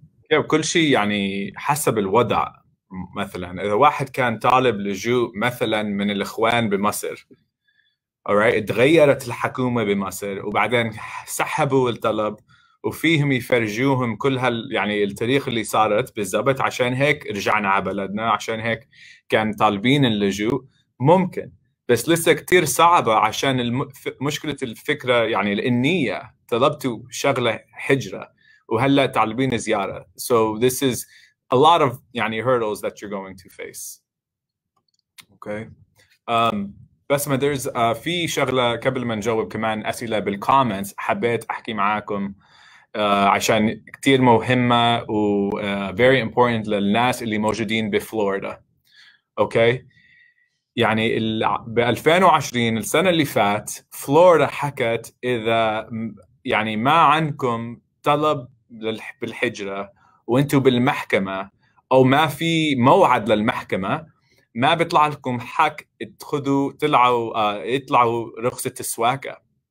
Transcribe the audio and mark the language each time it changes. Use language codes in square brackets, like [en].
[ar] يعني كل شيء يعني حسب الوضع. مثلا إذا واحد كان طالب لجوء مثلا من الإخوان بمصر، alright، تغيرت الحكومة بمصر وبعدين سحبوا الطلب، وفيهم يفرجوهم كل هال يعني التاريخ اللي صارت بالضبط، عشان هيك رجعنا على بلدنا، عشان هيك كان طالبين اللجوء، ممكن. بس لسه كتير صعبة، عشان مشكلة الفكرة، يعني النية، طلبتوا شغلة هجرة وهلا طالبين زيارة. [en] So this is a lot of يعني hurdles that you're going to face. Okay. [ar] بس ما there's في شغلة قبل ما نجاوب كمان أسئلة بالكومنتس، حبيت أحكي معاكم عشان كتير مهمة و [en] very important [ar] للناس اللي موجودين بفلوريدا. [en] Okay. [ar] يعني ب 2020 السنة اللي فات فلوريدا حكت إذا يعني ما عندكم طلب بالحجرة وانتوا بالمحكمة او ما في موعد للمحكمة، ما بيطلع لكم حق يطلعوا رخصة السواقة.